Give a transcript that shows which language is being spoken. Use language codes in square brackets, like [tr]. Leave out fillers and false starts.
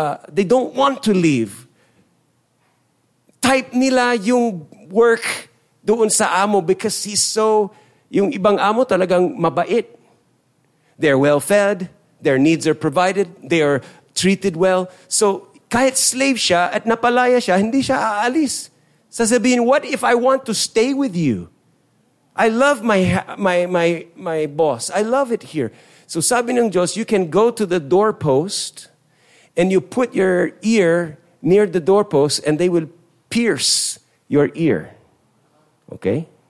[en] They don't want to leave. [tl] Type nila yung work doon sa amo [en] because he's so, [tl] yung ibang amo talagang mabait. [en] They're well fed, their needs are provided, they are treated well. [tl] So kahit slave siya at napalaya siya, hindi siya aalis. [en] Sasabihin, what if I want to stay with you? I love my boss. I love it here. [tl] So sabi ng Diyos, [en] you can go to the doorpost and you put your ear near the doorpost and they will pierce your ear. Okay?